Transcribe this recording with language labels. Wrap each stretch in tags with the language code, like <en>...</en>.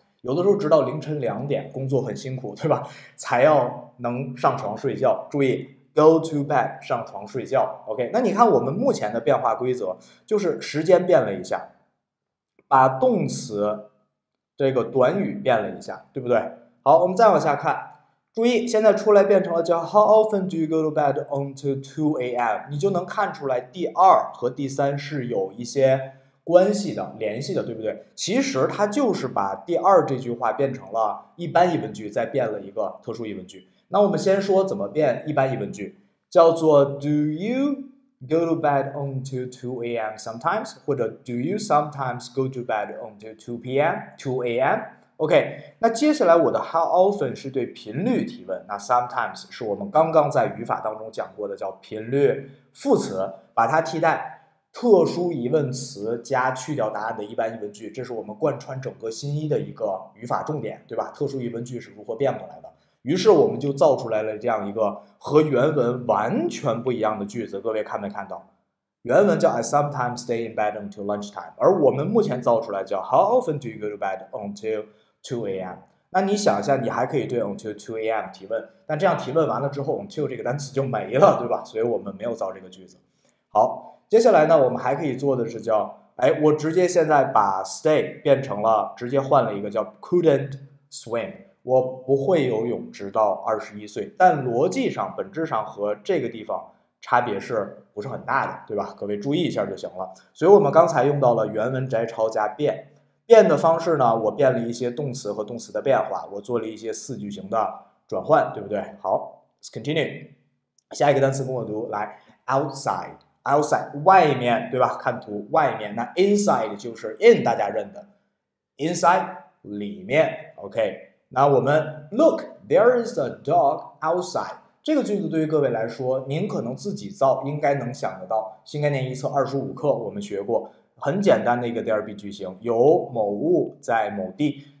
<zh>有的时候直到凌晨2点，工作很辛苦，对吧？才要能上床睡觉。注意 go to bed 上床睡觉。OK， 那你看我们目前的变化规则就是时间变了一下，把动词这个短语变了一下，对不对？好，我们再往下看，注意现在出来变成了叫</zh> <en>how often do you go to bed until 2 a.m.</en> <zh>你就能看出来第二和第三是有一些关系的、联系的，对不对？其实它就是把第二这句话变成了一般疑问句，再变了一个特殊疑问句。那我们先说怎么变一般疑问句，叫做</zh> <en>Do you go to bed until 2 a.m. sometimes，</en> <zh>或者</zh> <en>Do you sometimes go to bed until 2 a.m.</en> <zh>OK， 那接下来我的 How often 是对频率提问，那 sometimes 是我们刚刚在语法当中讲过的叫频率副词，把它替代特殊疑问词加去掉答案的一般疑问句，这是我们贯穿整个新一的一个语法重点，对吧？特殊疑问句是如何变过来的，于是我们就造出来了这样一个和原文完全不一样的句子。各位看没看到，原文叫</zh> <en>I sometimes stay in bed until lunchtime，</en> <zh>而我们目前造出来叫</zh> <en>How often do you go to bed until 2 a.m.</en> <zh>那你想一下，你还可以对 until 2 a.m. 提问，但这样提问完了之后，until 这个单词就没了，对吧？所以我们没有造这个句子。好，接下来呢，我们还可以做的是叫，哎，我直接现在把 stay 变成了，直接换了一个叫</zh> <en>couldn't swim，</en> <zh>我不会游泳，直到21岁。但逻辑上、本质上和这个地方差别是不是很大的，对吧？各位注意一下就行了。所以我们刚才用到了原文摘抄加变。变的方式呢，我变了一些动词和动词的变化，我做了一些四句型的转换，对不对？好，</zh> <en>let's continue。</en> <zh>下一个单词跟我读，来，outside，outside，outside, 外面，对吧？看图，外面。那 inside 就是 in，大家认的，inside 里面。</zh> <en>OK，</en> <zh>那我们</zh> <en>look，there is a dog outside。</en> <zh>这个句子对于各位来说，您可能自己造，应该能想得到。新概念一册25课，我们学过。很简单的一个 there be 句型，有某物在某地。</zh>